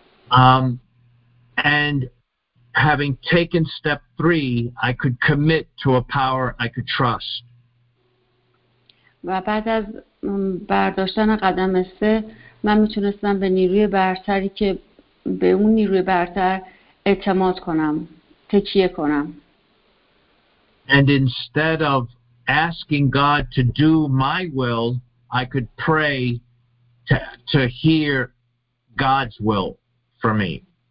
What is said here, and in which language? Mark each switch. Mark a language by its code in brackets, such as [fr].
[en] And having taken step three, I could commit to a power I could trust. [fa] و بعد از برداشتن قدم سه من میتونستم به نیروی برتری که به اون نیروی برتر اعتماد کنم، تکیه کنم. [en] And instead of asking God to do my will, I could pray to hear God's will for me.